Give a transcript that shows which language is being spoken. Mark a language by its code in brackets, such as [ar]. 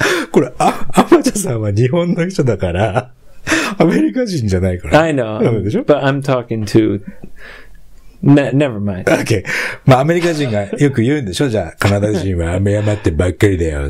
[ja] これ、アマチャさんは日本の人だから、アメリカ人じゃないから。 [en] I know. [ja] でしょ? [en] But I'm talking to, never mind. Okay. [ja] まあ、アメリカ人がよく言うんでしょ?じゃあ、カナダ人は謝ってばっかりだよ。